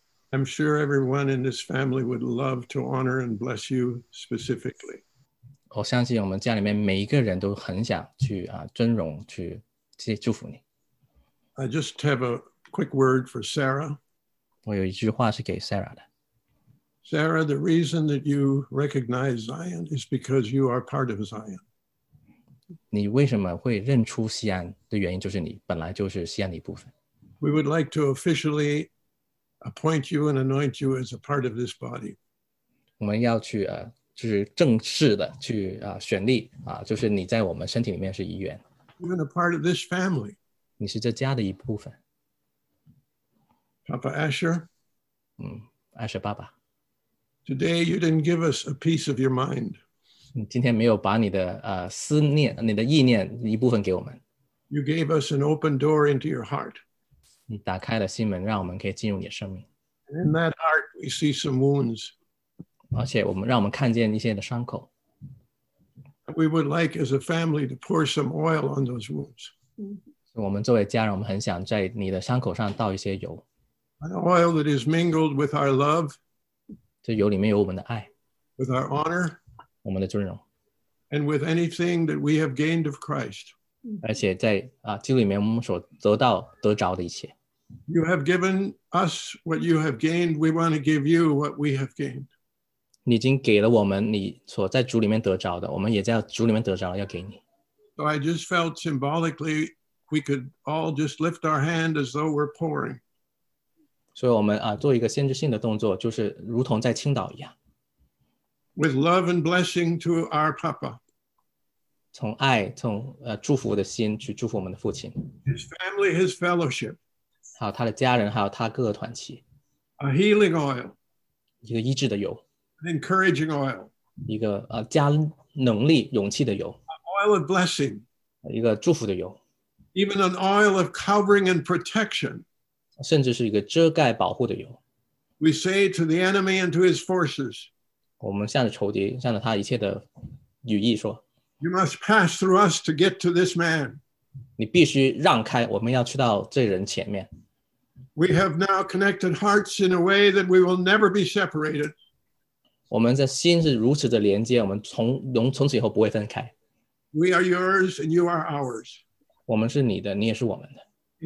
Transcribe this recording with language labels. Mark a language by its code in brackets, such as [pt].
[en] I'm sure everyone in this family would love to honor and bless you specifically. [zh] 我相信我们家里面每一个人都很想去尊荣，去祝福你。 [en] I just have a quick word for Sarah. [zh] 我有一句话是给 Sarah 的。 [en] Sarah, the reason that you recognize Zion is because you are part of Zion. [zh] 你为什么会认出西安的原因就是你本来就是西安的一部分。 [en] We would like to officially appoint you and anoint you as a part of this body. [zh] 我们要去就是正式的去选立就是你在我们身体里面是一员。 [en] You're a part of this family. [zh] 你是这家的一部分。 [en] Papa Asher. [zh] Asher 爸爸。 [en] Today you didn't give us a piece of your mind. [zh] 你今天没有把你的思念，你的意念一部分给我们。 [en] You gave us an open door into your heart. [zh] 你打开了心门，让我们可以进入你的生命。 [en] And in that heart, we see some wounds. [zh] 而且让我们看见一些的伤口。 [en] We would like, as a family, to pour some oil on those wounds. [zh] 我们作为家人，我们很想在你的伤口上倒一些油。 [en] An oil that is mingled with our love. [zh] 这油里面有我们的爱。 [en] With our honor. [zh] 我们的尊荣。 [en] And with anything that we have gained of Christ. [zh] 而且在基督里面我们所得着的一切。 [en] You have given us what you have gained. We want to give you what we have gained. [zh] 你已经给了我们你所在主里面得着的，我们也在主里面得着了，要给你。 [en] So I just felt symbolically we could all just lift our hand as though we're pouring. [zh] 所以我们做一个先知性的动作，就是如同在倾倒一样。 [en] With love and blessing to our Papa. [zh] 从爱，从祝福的心去祝福我们的父亲。 [en] His family, his fellowship. [zh] 还有他的家人，还有他各个团契。 [en] A healing oil. [zh] 一个医治的油。 [en] An encouraging oil. [zh] 一个加能力、勇气的油。 [en] An oil of blessing. [zh] 一个祝福的油。 [en] Even an oil of covering and protection. [zh] 甚至是一个遮盖保护的油。 [en] We say to the enemy and to his forces. [zh] 我们向着仇敌，向着他一切的羽翼说。 [en] You must pass through us to get to this man. [zh] 你必须让开，我们要去到这人前面。 [en] We have now connected hearts in a way that we will never be separated. [zh] 我们的心是如此的连接，我们从此以后不会分开。 [en] We are yours and you are ours. [zh] 我们是你的，你也是我们的。